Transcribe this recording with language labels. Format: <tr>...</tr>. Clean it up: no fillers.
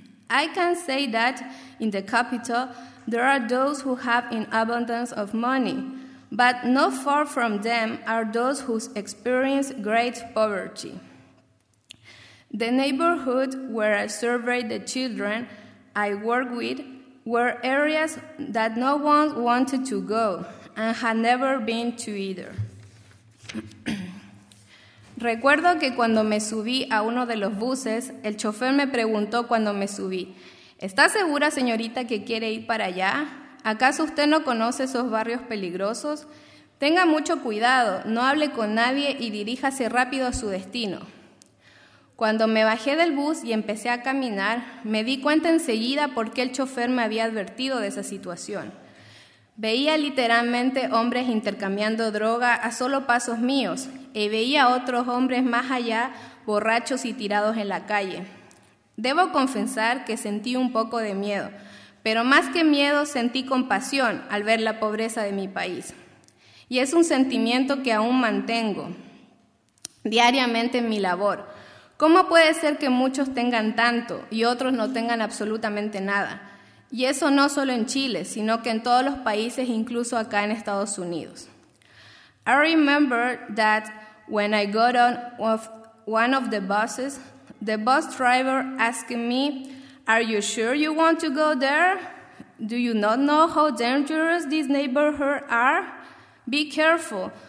<en>I can say that in the capital, there are those who have an abundance of money, but not far from them are those who experience great poverty. The neighborhood where I surveyed the children I work with were areas that no one wanted to go and had never been to either.</en> <es>Recuerdo que cuando me subí a uno de los buses, el chofer me preguntó cuando me subí, ¿está segura, señorita, que quiere ir para allá? ¿Acaso usted no conoce esos barrios peligrosos? Tenga mucho cuidado, no hable con nadie y diríjase rápido a su destino. Cuando me bajé del bus y empecé a caminar, me di cuenta enseguida por qué el chofer me había advertido de esa situación. Veía literalmente hombres intercambiando droga a solo pasos míos, y veía otros hombres más allá, borrachos y tirados en la calle. Debo confesar que sentí un poco de miedo, pero más que miedo sentí compasión al ver la pobreza de mi país. Y es un sentimiento que aún mantengo diariamente en mi labor. ¿Cómo puede ser que muchos tengan tanto y otros no tengan absolutamente nada? Y eso no solo en Chile, sino que en todos los países, incluso acá en Estados Unidos.</es> <en>I remember that when I got on one of the buses, the bus driver asked me, "Are you sure you want to go there? Do you not know how dangerous these neighborhoods are? Be careful.</en>